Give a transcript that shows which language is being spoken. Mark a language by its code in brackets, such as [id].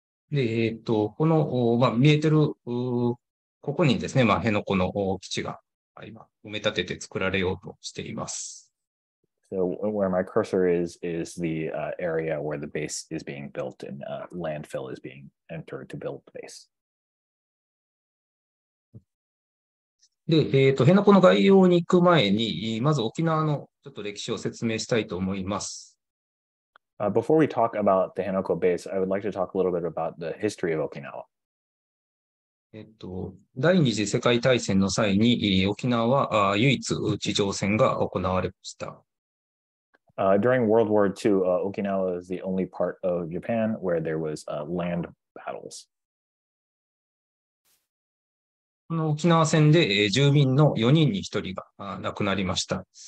[ja] で、この、まあ、見えてる、ここにですね、まあ、辺野古の基地が今埋め立てて作られようとしています。 [en] So where my cursor is the area where the base is being built and landfill is being entered to build the base. [ja] で、辺野古の概要に行く前に、まず沖縄のちょっと歴史を説明したいと思います。 [en] Before we talk about the Henoko base, I would like to talk a little bit about the history of Okinawa. [ja] 第二次世界大戦の際に沖縄は唯一地上戦が行われました。 [en] During World War II, Okinawa is the only part of Japan where there was land battles. [ja] この沖縄戦で住民の4人に1人が亡くなりました。